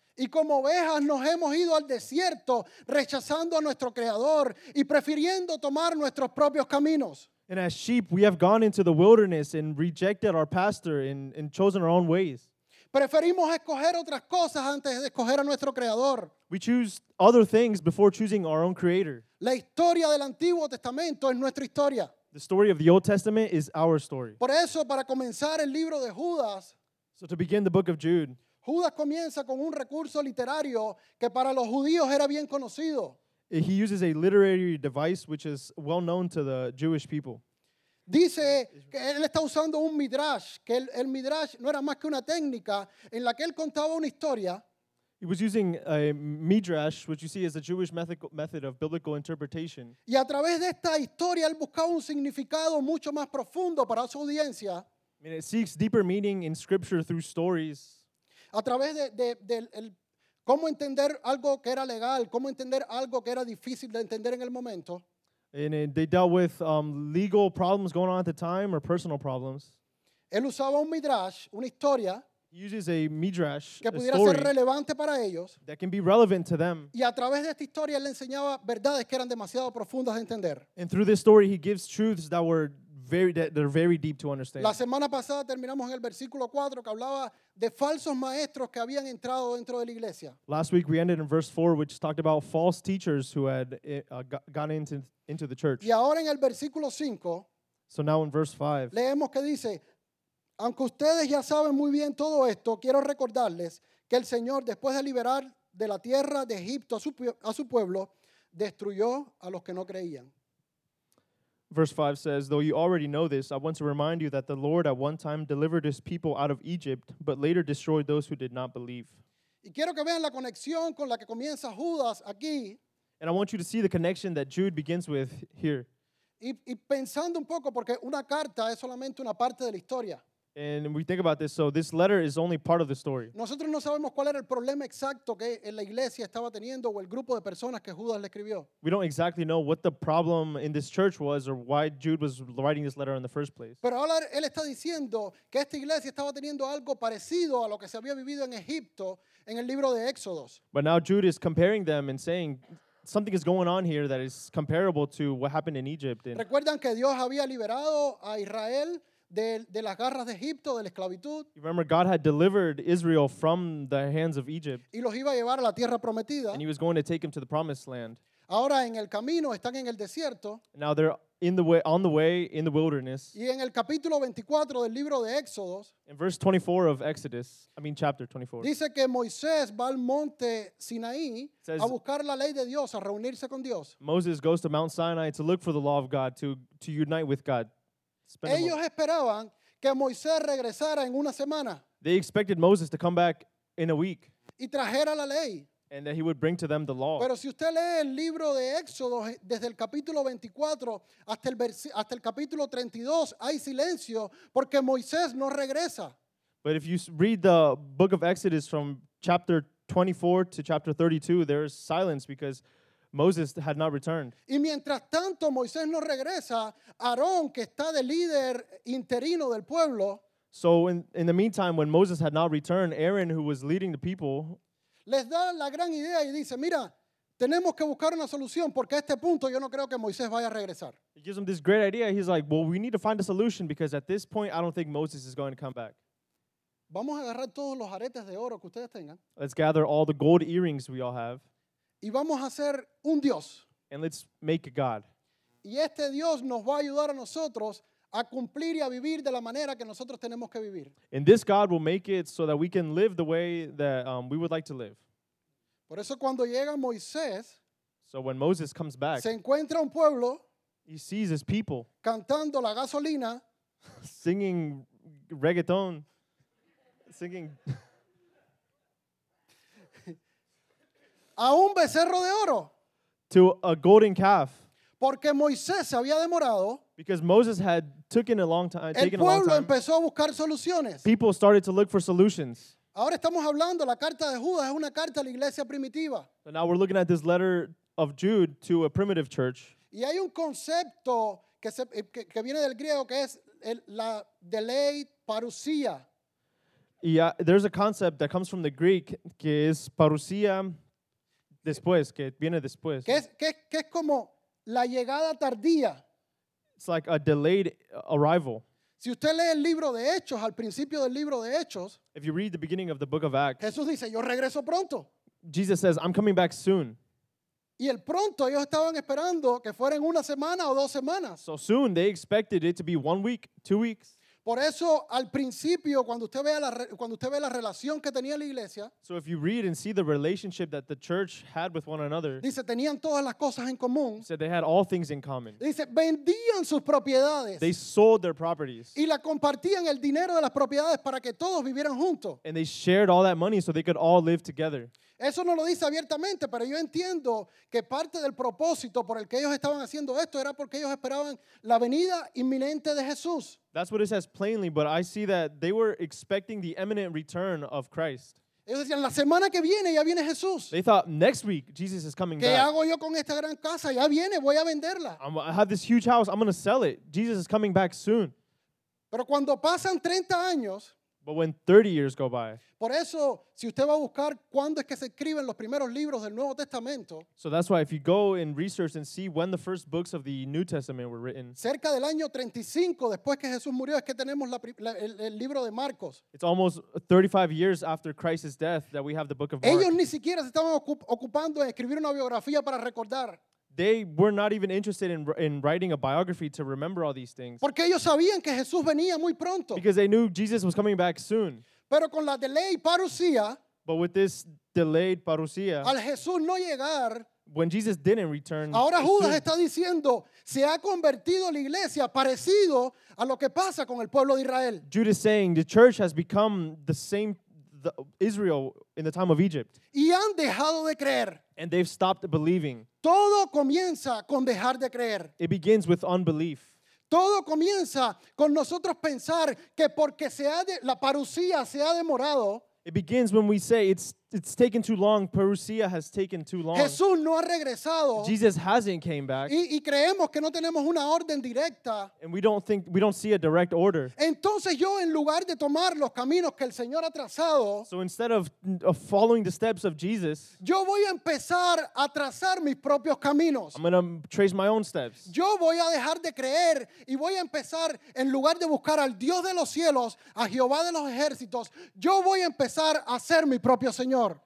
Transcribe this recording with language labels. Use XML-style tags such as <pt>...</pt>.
<es>Y como ovejas nos hemos ido al desierto rechazando a nuestro Creador y prefiriendo tomar nuestros propios caminos.</es> <en>And as sheep, we have gone into the wilderness and rejected our pastor and chosen our own ways.</en> <es>Preferimos escoger otras cosas antes de escoger a nuestro creador.</es> <en>We choose other things before choosing our own creator.</en> <es>La historia del Antiguo Testamento es nuestra historia.</es> <en>The story of the Old Testament is our story.</en> <es>Por eso, para comenzar el libro de Judas,</es> <en>so to begin the book of Jude,</en> <es>Judas comienza con un recurso literario que para los judíos era bien conocido.</es> <en>He uses a literary device which is well known to the Jewish people.</en> <es>Dice que él está usando un midrash, que el midrash no era más que una técnica en la que él contaba una historia.</es> <en>He was using a midrash, which you see is a Jewish method of biblical interpretation.</en> <es>Y a través de esta historia él buscaba un significado mucho más profundo para su audiencia.</es> <en>I mean, it seeks deeper meaning in scripture through stories.</en> <es>A través del cómo entender algo que era legal, cómo entender algo que era difícil de entender en el momento.</es> <en>And they dealt with legal problems going on at the time or personal problems.</en> <es>Él usaba un midrash, una historia,</es> <en>uses a midrash,</en> <es>que pudiera ser relevante para ellos.</es> <en>That can be relevant to them.</en> <es>Y a través de esta historia, él le enseñaba verdades que eran demasiado profundas de entender.</es> <en>And through this story, he gives truths that were very, that they're very deep to understand.</en> <es>La semana pasada terminamos en el versículo 4 que hablaba de falsos maestros que habían entrado dentro de la iglesia.</es> <en>Last week we ended in verse 4, which talked about false teachers who had gone into the church.</en> <es>Y ahora en el versículo 5,</es> <en>so now in verse 5,</en> <es>leemos que dice, aunque ustedes ya saben muy bien todo esto, quiero recordarles que el Señor, después de liberar de la tierra de Egipto a su pueblo, destruyó a los que no creían.</es> <en>Verse 5 says, though you already know this, I want to remind you that the Lord at one time delivered his people out of Egypt, but later destroyed those who did not believe.</en> <es>Y quiero que vean la conexión con la que comienza Judas aquí.</es> <en>And I want you to see the connection that Jude begins with here.</en> <es>Y pensando un poco, porque una carta es solamente una parte de la historia.</es> <en>And we think about this, so this letter is only part of the story.</en> <es>Nosotros no sabemos cuál era el problema exacto que la iglesia estaba teniendo o el grupo de personas que Judas le escribió.</es> <en>We don't exactly know what the problem in this church was or why Jude was writing this letter in the first place.</en> <es>Pero ahora él está diciendo que esta iglesia estaba teniendo algo parecido a lo que se había vivido en Egipto en el libro de Éxodos.</es> <en>But now Jude is comparing them and saying something is going on here that is comparable to what happened in Egypt.</en> <es>¿Recuerdan que Dios había liberado a Israel de las garras de Egipto, de la esclavitud?</es> <en>You remember God had delivered Israel from the hands of Egypt.</en> <es>Y los iba a llevar a la tierra prometida.</es> <en>And he was going to take them to the promised land.</en> <es>Ahora en el camino están en el desierto.</es> <en>Now they're on the way in the wilderness.</en> <es>Y en el capítulo 24 del libro de Éxodos.</es> <en>In verse 24 of Exodus, I mean chapter 24.</en> <es>Dice que Moisés va al monte Sinaí a buscar la ley de Dios, a reunirse con Dios.</es> <en>Moses goes to Mount Sinai to look for the law of God, to unite with God.</en> <es>Ellos esperaban que Moisés regresara en una semana.</es> <en>They expected Moses to come back in a week.</en> <es>Y trajera la ley.</es> <en>And that he would bring to them the law.</en> <es>Pero si usted lee el libro de Éxodo desde el capítulo 24 hasta el capítulo 32, hay silencio porque Moisés no regresa.</es> <en>But if you read the book of Exodus from chapter 24 to chapter 32, there is silence because Moses had not returned.</en> <es>Y mientras tanto Moisés no regresa, Aarón, que está de líder interino del pueblo,</es> <en>so in the meantime, when Moses had not returned, Aaron, who was leading the people,</en> <es>les da la gran idea y dice, mira, tenemos que buscar una solución porque a este punto yo no creo que Moisés vaya a regresar.</es> <en>He gives him this great idea. He's like, well, we need to find a solution because at this point, I don't think Moses is going to come back.</en> <es>Vamos a agarrar todos los aretes de oro que ustedes tengan.</es> <en>Let's gather all the gold earrings we all have.</en> <es>Y vamos a hacer un Dios.</es> <en>And let's make a God.</en> <es>Y este Dios nos va a ayudar a nosotros a cumplir y a vivir de la manera que nosotros tenemos que vivir.</es> <en>And this God will make it so that we can live the way that we would like to live.</en> <es>Por eso cuando llega Moisés,</es> <en>so when Moses comes back,</en> <es>se encuentra un pueblo,</es> <en>he sees his people,</en> <es>cantando la gasolina,</es> <en>singing reggaeton, singing</en> <es>a un becerro de oro,</es> <en>to a golden calf,</en> <es>porque Moisés se había demorado.</es> <en>Because Moses had taken a long time.</en> <es>El pueblo empezó a buscar soluciones.</es> <en>People started to look for solutions.</en> <es>Ahora estamos hablando, la carta de Judas es una carta a la iglesia primitiva.</es> <en>So now we're looking at this letter of Jude to a primitive church.</en> <es>Y hay un concepto que viene del griego que es la de ley parusía.</es> <en>Yeah, there's a concept that comes from the Greek</en> <es>que es parusía después, que viene después. Que es como la llegada tardía.</es> <en>It's like a delayed arrival.</en> <es>Si usted lee el libro de Hechos, al principio del libro de Hechos,</es> <en>if you read the beginning of the book of Acts,</en> <es>Jesús dice, yo regreso pronto.</es> <en>Jesus says, I'm coming back soon.</en> <es>Y el pronto, ellos estaban esperando que fueran una semana o dos semanas.</es> <en>So soon, they expected it to be 1 week, 2 weeks.</en> <es>Por eso, al principio, cuando usted ve la relación que tenía la iglesia,</es> <en>so if you read and see the relationship that the church had with one another,</en> <es>dice, tenían todas las cosas en común.</es> <en>Said they had all things in common.</en> <es>Dice, vendían sus propiedades.</es> <en>They sold their properties.</en> <es>Y la compartían el dinero de las propiedades para que todos vivieran juntos.</es> <en>And they shared all that money so they could all live together.</en> <es>Eso no lo dice abiertamente, pero yo entiendo que parte del propósito por el que ellos estaban haciendo esto era porque ellos esperaban la venida inminente de Jesús.</es> <en>That's what it says plainly, but I see that they were expecting the imminent return of Christ.</en> <es>Ellos decían, la semana que viene ya viene Jesús.</es> <en>They thought, next week, Jesus is coming</en> <es>¿Qué</es> <en>back.</en> <es>¿Qué hago yo con esta gran casa? Ya viene, voy a venderla.</es> <en>I have this huge house, I'm going to sell it. Jesus is coming back soon.</en> <es>Pero cuando pasan 30 años,</es> <en>but when 30 years go by.</en> <es>Por eso, si usted va a buscar cuándo es que se escriben los primeros libros del Nuevo Testamento.</es> <en>So that's why if you go and research and see when the first books of the New Testament were written.</en> <es>Cerca del año 35 después que Jesús murió es que tenemos el libro de Marcos.</es> <en>It's almost 35 years after Christ's death that we have the book of Mark.</en> <es>Ellos ni siquiera se estaban ocupando en escribir una biografía para recordar.</es> <en>They were not even interested in writing a biography to remember all these things.</en> <es>Porque ellos sabían que Jesús venía muy pronto.</es> <en>Because they knew Jesus was coming back soon.</en> <es>Pero con la delay parusía,</es> <en>but with this delayed parusía,</en> <es>al Jesús no llegar,</es> <en>when Jesus didn't return,</en> <es>ahora Judas está diciendo, se ha convertido la iglesia parecido a lo que pasa con el pueblo de Israel.</es> <en>Judas saying the church has become the same Israel in the time of Egypt.</en> <es>Y han dejado de creer.</es> <en>And they've stopped believing.</en> <es>Todo comienza con dejar de creer.</es> <en>It begins with unbelief.</en> <es>Todo comienza con nosotros pensar que porque se ha la parusía se ha demorado.</es> <en>It begins when we say it's taken too long. Parousia has taken too long.</en> <es>Jesús no ha regresado.</es> <en>Jesus hasn't came back.</en> <es>Y creemos que no tenemos una orden directa.</es> <en>And we don't see a direct order.</en> <es>Entonces yo en lugar de tomar los caminos que el Señor ha trazado,</es> <en>so instead of following the steps of Jesus,</en> <es>yo voy a empezar a trazar mis propios caminos.</es> <en>I'm going to trace my own steps.</en> <es>Yo voy a dejar de creer y voy a empezar en lugar de buscar al Dios de los cielos, a Jehová de los ejércitos, yo voy a empezar a ser mi propio Señor.</es>